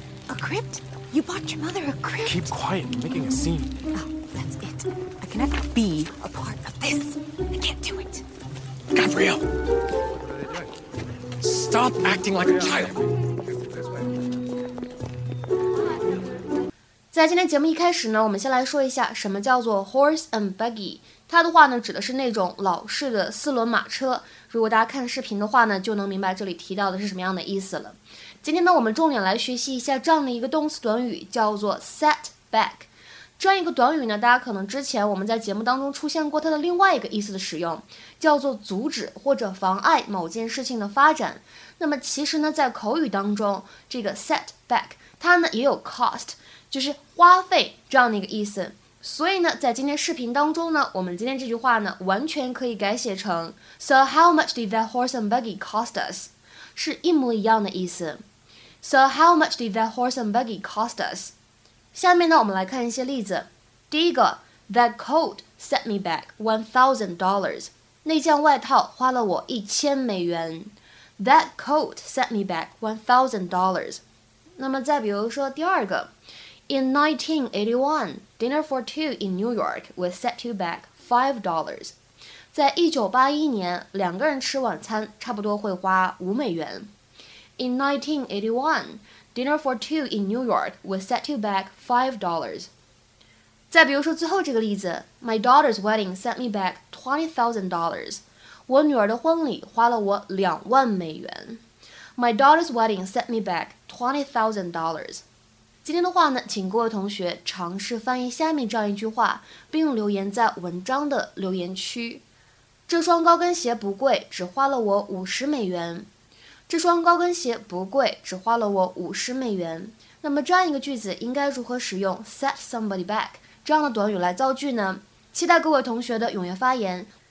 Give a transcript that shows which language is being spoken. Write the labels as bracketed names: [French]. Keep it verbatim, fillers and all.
[English] A crypt? You bought your mother a crypt? Keep quiet. You're making a scene. Oh, that's it. I cannot be a part of this. I can't do it. Gabrielle! What are they doing? Stop acting like a child. [Chinese] 在今天节目一开始呢，我们先来说一下什么叫做 horse and buggy。它的话呢，指的是那种老式的四轮马车。如果大家看视频的话呢，就能明白这里提到的是什么样的意思了。今天呢，我们重点来学习一下这样的一个动词短语，叫做 set back。这样一个短语呢，大家可能之前我们在节目当中出现过它的另外一个意思的使用，叫做阻止或者妨碍某件事情的发展。那么其实呢，在口语当中，这个 set back 它呢也有 cost。就是花费这样的一个意思，所以呢在今天视频当中呢，我们今天这句话呢完全可以改写成 [English] So how much did that horse and buggy cost us? [Chinese] 是一模一样的意思。 [English] So how much did that horse and buggy cost us? [Chinese] 下面呢我们来看一些例子。第一个 [English] That coat set me back one thousand dollars [Chinese] 那件外套花了我一千美元 [English] That coat set me back one thousand dollars [Chinese] 那么再比如说第二个 [English] In nineteen eighty-one, dinner for two in New York will set you back five dollars. [Chinese] 在一九八一年，两个人吃晚餐差不多会花五美元。 [English] In nineteen eighty-one, dinner for two in New York will set you back five dollars. [Chinese] 再比如说最后这个例子 [English] My daughter's wedding set me back twenty thousand dollars. [Chinese] 我女儿的婚礼花了我两万美元。 [English] My daughter's wedding set me back twenty thousand dollars. [Chinese] 今天的话呢，请各位同学尝试翻译下面这样一句话，并留言在文章的留言区。这双高跟鞋不贵，只花了我五十美元。这双高跟鞋不贵，只花了我五十美元。那么这样一个句子应该如何使用 set somebody back 这样的短语来造句呢？期待各位同学的踊跃发言。